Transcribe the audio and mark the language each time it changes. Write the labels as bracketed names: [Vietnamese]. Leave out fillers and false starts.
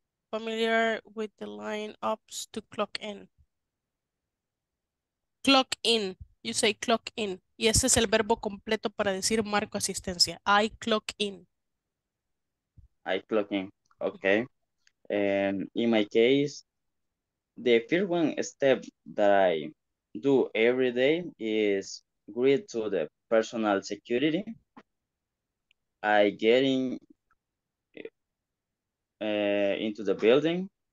[English] Familiar with the line ups to clock in. Clock in. You say clock in. [Spanish] Y ese es el verbo completo para decir marco asistencia. [English] I clock in. I clock in. Okay. And in my case, the first one step that I do every day is greet to the personal security. I get in into the building.